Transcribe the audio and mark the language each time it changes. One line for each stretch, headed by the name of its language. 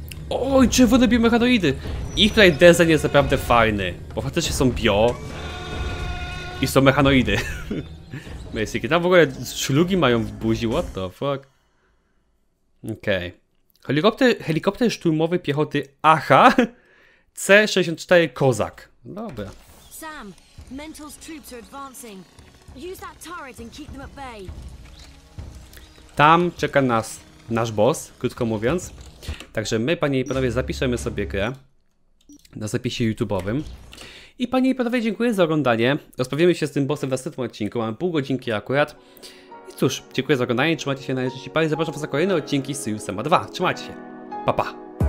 Polish: Oj, czerwone biomechanoidy! Ich tutaj design jest naprawdę fajny, bo faktycznie są bio i są mechanoidy. Basic. Tam w ogóle szlugi mają w buzi,
English: what the fuck? Okej. Okay.
Polish: Helikopter szturmowy piechoty AH C-64 Kozak. Dobra.
English: Sam, Mental's troops are advancing. Use that turret and keep them at bay.
Polish: Tam czeka nas nasz boss, krótko mówiąc. Także my, panie i panowie, zapiszemy sobie grę na zapisie YouTube'owym. I panie i panowie, dziękuję za oglądanie. Rozprawimy się z tym bossem w następnym odcinku. Mamy pół godzinki akurat. I cóż, dziękuję za oglądanie. Trzymajcie się, na razie. I zapraszam was na kolejne odcinki z Seriusema 2. Trzymajcie się. Pa, pa.